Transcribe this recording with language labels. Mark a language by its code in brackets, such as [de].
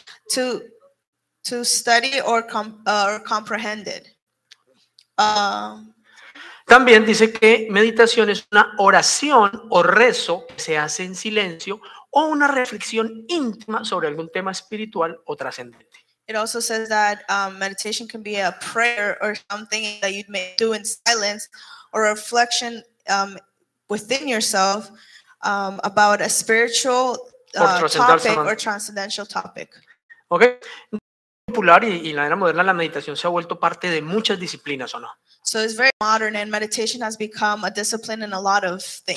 [en] to study or comprehend it. [es] También dice que meditación es una oración o rezo que se hace en silencio o una reflexión íntima sobre algún tema espiritual o trascendente. [en] It also says that meditation can be a prayer or something that you may do in silence or reflection within yourself about a spiritual topic or transcendental topic. Okay. [es] Popular y en la era moderna la meditación se ha vuelto parte de muchas disciplinas, ¿o no? [en] So it's very modern and meditation has become a discipline in a lot of things.